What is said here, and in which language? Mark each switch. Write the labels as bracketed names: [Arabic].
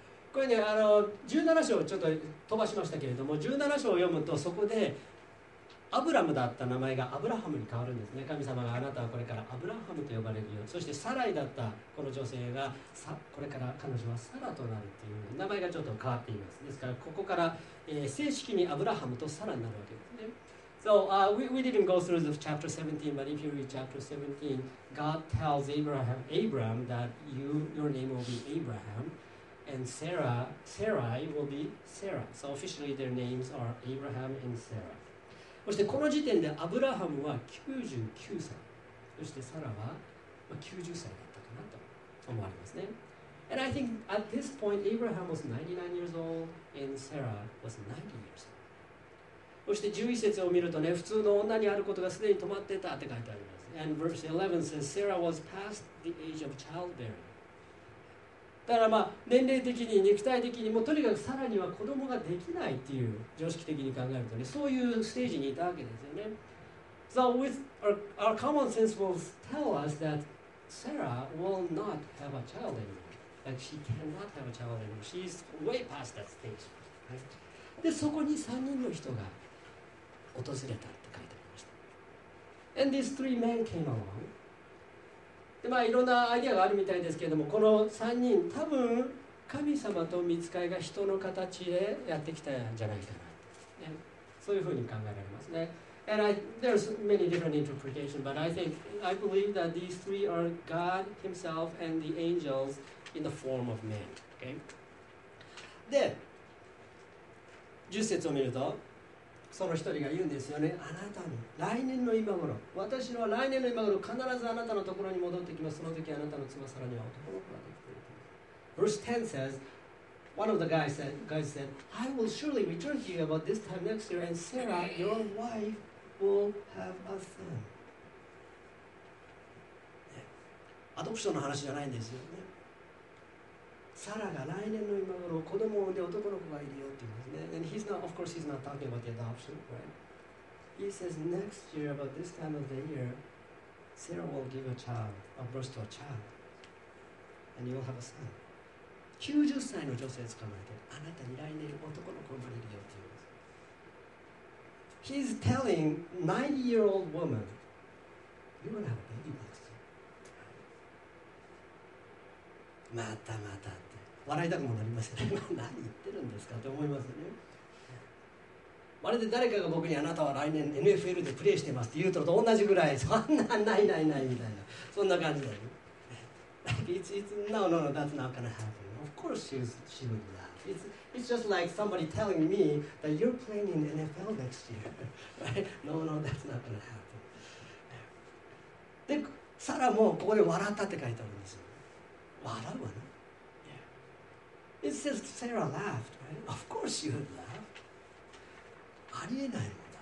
[Japanese] これね、17章ちょっと飛ばしましたけれども、17章を読むとそこでアブラムだった名前がアブラハムに変わるんですね。神様があなたはこれからアブラハムと呼ばれるよ、そしてサライだったこの女性がこれから彼女はサラとなるという名前がちょっと変わっています。ですからここから、正式にアブラハムとサラになるわけですね。 [English] So we didn't go through the chapter 17, but if you read chapter 17, God tells Abraham that your name will be Abraham and Sarai will be Sarah. So officially their names are Abraham and Sarah. [Japanese] そしてこの時点でアブラハムは99歳、そしてサラは90歳だったかなと思われますね。 [English] And I think at this point Abraham was 99 years old and Sarah was 90 years old. [Japanese] そして11節を見るとね、普通の女にあることがすでに止まってたって書いてあります。 [English] And verse 11 says Sarah was past the age of childbearing. [Japanese] だからまあ年齢的に肉体的にもとにかくサラには子供ができないっていう、常識的に考えるとね、そういうステージにいたわけですよね。 [English] So with our common sense will tell us that Sarah will not have a child anymore. Like she cannot have a child anymore. She's way past that stage.、Right? [Japanese] でそこに3人の人が訪れたって書いてありました。 [English] And these three men came along. [Japanese] でまあ、いろんなアイデアがあるみたいですけれども、この3人、多分神様と御使いが人の形でやってきたんじゃないかな、ね、そういうふうに考えられますね。 [English] And there's many different interpretations, but I believe that these three are God himself and the angels in the form of men、okay? [Japanese] で10節を見るとその一人が言うんですよね。あなたの来年の今頃、私の来年の今頃必ずあなたのところに戻ってきます。その時あなたの妻さらには男の子ができている。 [English] Verse 10 says One of the guys said I will surely return to you about this time next year and Sarah your wife will have a son、 [Japanese] ね、アドプションの話じゃないんですよね。サラが来年の今頃子供を産んで男の子がいるよって言うんですね。 [English] And he's not, of course he's not talking about the adoption, right? He says next year, about this time of the year, Sarah will give a child, a birth to a child, and you'll have a son. [Japanese] 90歳の女性捕まえて、あなたに来年男の子生まれるよって言うんです。 [English] He's telling 90-year-old woman, you will have a baby next year. [Japanese] またまたって笑いたくもなりますよね。何言ってるんですかって思いますよね。まるで誰かが僕にあなたは来年 NFL でプレーしてますって言うのと同じぐらい、そんなないないないみたいな、そんな感じだよ。 [English] No, that's not gonna happen. Of course she would laugh. It's just like somebody telling me that you're playing in the NFL next year. No, that's not gonna happen. [Japanese] で、サラもここで笑ったって書いてあるんですよ。笑うわな。 [English] Yeah. It says Sarah laughed, right? Of course she would laugh. [Japanese] ありえないもんだって。